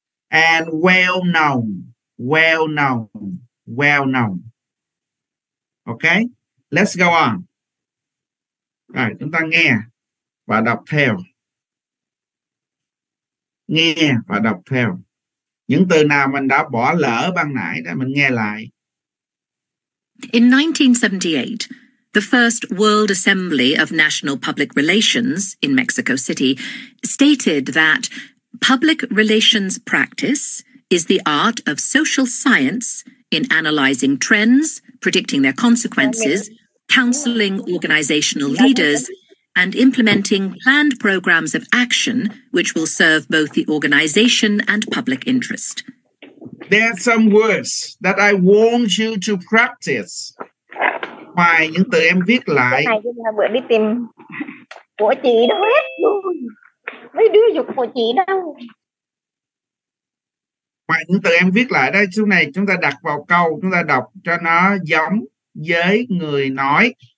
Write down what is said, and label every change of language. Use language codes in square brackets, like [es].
[en] And well known, well known, well known. Okay, let's go on. [vi] Rồi, chúng ta nghe và đọc theo. Nghe và đọc theo. Những từ nào mình đã bỏ lỡ ban nãy để mình nghe lại. [en] In 1978, the first World Assembly of National Public Relations in Mexico City stated that public relations practice is the art of social science in analyzing trends, predicting their consequences, counseling organizational leaders, and implementing planned programs of action which will serve both the organization and public interest. There are some words that I want you to practice. [vi] Ngoài những từ em viết lại. Cái này là bữa đi tìm của chị đâu hết luôn. Mấy đứa dục của chị đâu. Ngoài những từ em viết lại đây, chỗ này chúng ta đặt vào câu, chúng ta đọc cho nó giống với người nói.